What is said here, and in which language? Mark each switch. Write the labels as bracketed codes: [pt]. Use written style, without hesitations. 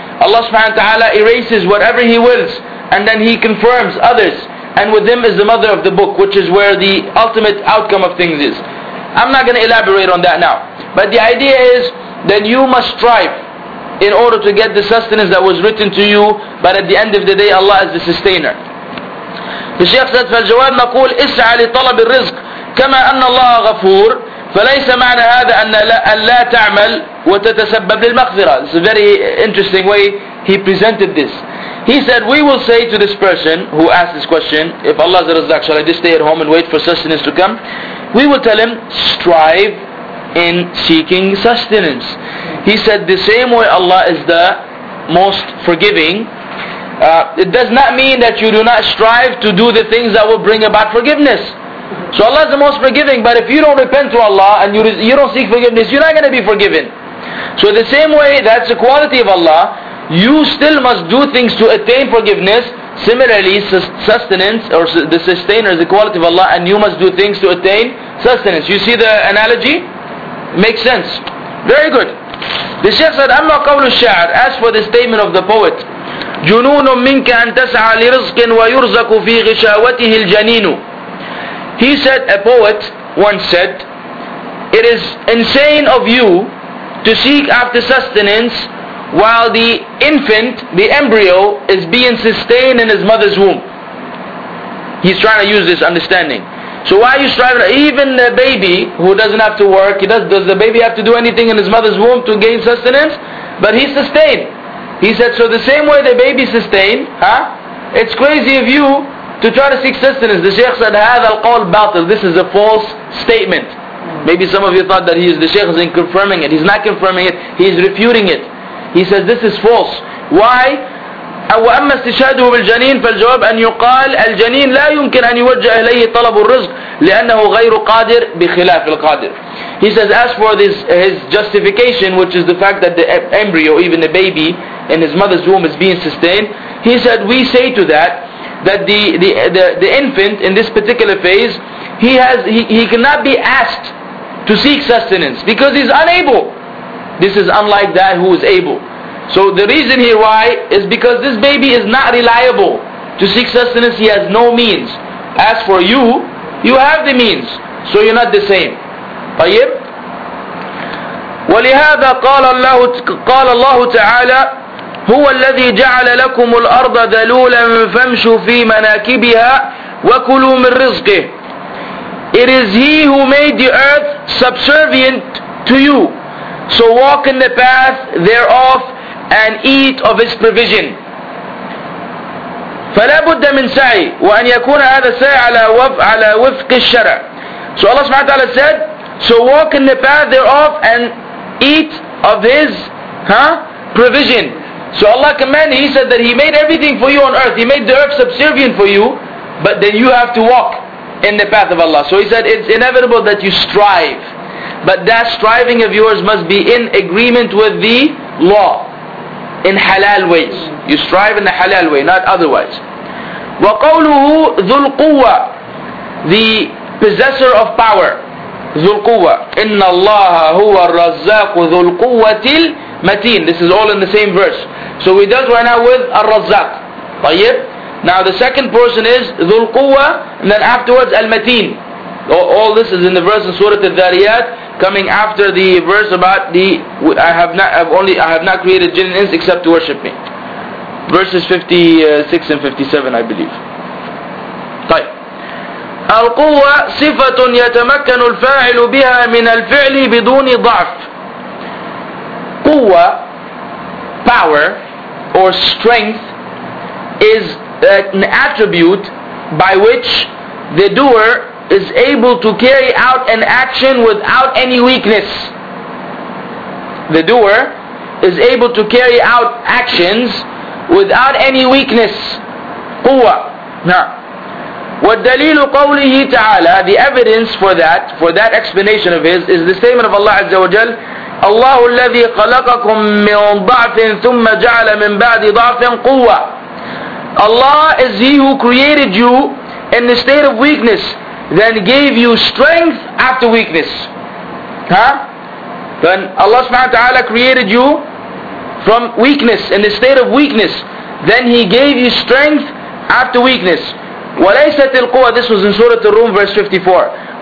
[en] Allah subhanahu wa ta'ala erases whatever He wills and then He confirms others. And with them is the mother of the book, which is where the ultimate outcome of things is. I'm not going to elaborate on that now. But the idea is that you must strive in order to get the sustenance that was written to you. But at the end of the day, Allah is the sustainer. The Shaykh said, [ar] فَالْجَوَابْ نَقُولْ إِسْعَى لِطَلَبِ الرِّزْقِ كَمَا أَنَّ اللَّهَ غَفُورٌ فليس معنى هذا أن لا تعمل وتتسبب للمغفرة. [en] It's a very interesting way he presented this. He said, we will say to this person who asked this question, if Allah is the Razzaq, shall I just stay at home and wait for sustenance to come? We will tell him, strive in seeking sustenance. He said, the same way Allah is the most forgiving, it does not mean that you do not strive to do the things that will bring about forgiveness. So Allah is the most forgiving, but if you don't repent to Allah and you don't seek forgiveness, you're not going to be forgiven. So the same way that's the quality of Allah, you still must do things to attain forgiveness. Similarly, sustenance or the sustainer is the quality of Allah, and you must do things to attain sustenance. You see the analogy? Makes sense. Very good. The Shaykh said, [ar] أَمَّا قَوْلُ الشَّعْرِ. [en] As for the statement of the poet, [ar] جُنُونٌ مِنْكَ أَن تَسْعَى لِرِزْقٍ وَيُرْزَقُ فِي غِشَاوَتِهِ الْجَنِينُ. [en] He said, a poet once said, it is insane of you to seek after sustenance while the infant, the embryo, is being sustained in his mother's womb. He's trying to use this understanding. So why are you striving? Even the baby who doesn't have to work, does the baby have to do anything in his mother's womb to gain sustenance? But he's sustained. He said, so the same way the baby sustained, huh? It's crazy of you to try to seek sustenance. The Shaykh said, [ar] هذا القول باطل. [en] This is a false statement. Maybe some of you thought that the Shaykh is confirming it. He's not confirming it. He's refuting it. He says, this is false. Why? [ar] وأما استشهاده بالجنين فالجواب أن يقال الجنين لا يمكن أن يوجه إليه طلب الرزق لأنه غير قادر بخلاف القادر. [en] He says, as for this, his justification, which is the fact that the embryo, even the baby in his mother's womb is being sustained, he said, we say to that, that the infant in this particular phase, he cannot be asked to seek sustenance because he's unable. This is unlike that who is able. So the reason here why is because this baby is not reliable to seek sustenance. He has no means. As for you, you have the means, so you're not the same. [ar] طيب. ولهذا قال الله تعالى هو الذي جعل لكم الأرض ذلولا فامشوا في مناكبها وكلوا من رزقه. [en] It is He who made the earth subservient to you, so walk in the path thereof and eat of its provision. [ar] فلا بد من سعي وأن يكون هذا السعي على وفق الشرع. [en] So Allah subhanahu wa ta'ala said, so walk in the path thereof and eat of His huh? Provision. So Allah commanded, He said that He made everything for you on earth. He made the earth subservient for you, but then you have to walk in the path of Allah. So He said, it's inevitable that you strive. But that striving of yours must be in agreement with the law. In halal ways. You strive in the halal way, not otherwise. [ar] وَقَوْلُهُ ذُو الْقُوَّةِ [en] The possessor of power. [ar] ذُو الْقُوَّةِ إِنَّ اللَّهَ هُوَ الرَّزَّاقُ ذُو الْقُوَّةِ الْمَتِينَ [en] This is all in the same verse. So we dealt right now with الرزاق. [ar] طيب. [en] Now the second person is [ar] ذُو الْقُوَّةِ [en] And then afterwards [ar] الْمَتِينَ [en] All this is in the verse in Surah Al-Dhariyat, coming after the verse about the I have not created jinn and ins except to worship me. Verses 56 and 57, I believe. [ar] طيب. القوة صفة يتمكن الفاعل بها من الفعل بدون ضعف. [en] قوة, power, or strength, is an attribute by which the doer is able to carry out an action without any weakness. The doer is able to carry out actions without any weakness. [ar] قوة. نعم. والدليل قوله تعالى. [en] The evidence for that explanation of his, is the statement of Allah Azza wa Jal. [ar] الله الذي خلقكم من ضعف ثم جعل من بعد ضعف قوة. [en] Allah is He who created you in the state of weakness. Then gave you strength after weakness. Huh? Then Allah subhanahu wa ta'ala created you from weakness, in a state of weakness. Then He gave you strength after weakness. [ar] وَلَيْسَتِ الْقُوَّةِ [en] This was in Surah Al-Rum, verse 54.